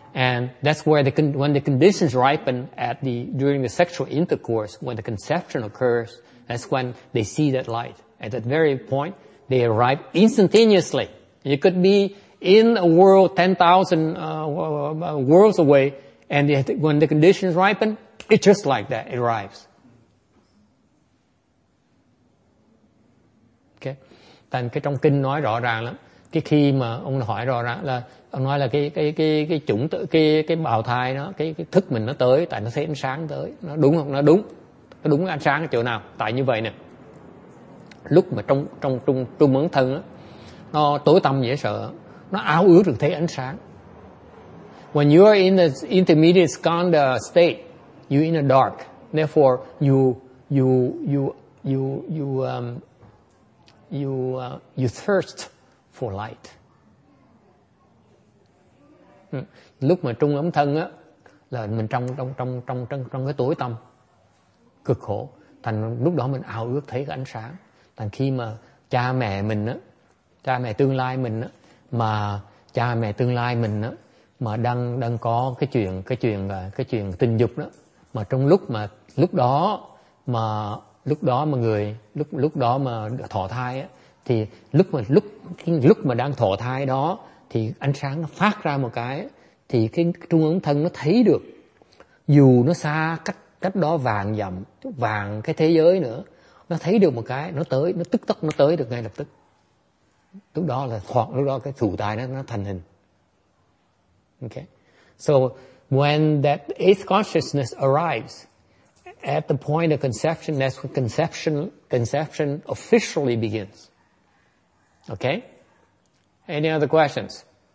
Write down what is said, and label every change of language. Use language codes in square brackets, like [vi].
[en] And that's where when the conditions ripen during the sexual intercourse, when the conception occurs, that's when they see that light. At that very point, they arrive instantaneously. You could be in a world 10,000 worlds away, and when the conditions ripen, it just like that, it arrives. [vi] Thành cái trong kinh nói rõ ràng lắm. Cái khi mà ông hỏi rõ ràng là ông nói là cái chủng tử, cái bào thai nó cái thức mình nó tới tại nó thấy ánh sáng tới. Nó đúng không? Nó đúng ánh sáng ở chỗ nào? Tại như vậy nè. Lúc mà trong ấn thân á nó tối tăm dễ sợ, nó ao ước được thấy ánh sáng. [en] When you are in the intermediate skanda state, you in the dark. Therefore you thirst for light. [vi] Lúc mà trung ấm thân á là mình trong cái tối tăm cực khổ, thành lúc đó mình ao ước thấy cái ánh sáng. Thành khi mà cha mẹ tương lai mình á mà đang có cái chuyện tình dục đó, mà trong lúc đó mà thọ thai á, thì lúc mà đang thọ thai đó thì ánh sáng nó phát ra một cái, thì cái trung ấn thân nó thấy được, dù nó xa cách đó vạn dặm, vạn cái thế giới nữa, nó thấy được một cái, nó tới được ngay lập tức. Lúc đó cái thụ tai nó thành hình. [en] Okay. So when that eighth consciousness arrives at the point of conception, that's when conception officially begins. Okay? Any other questions?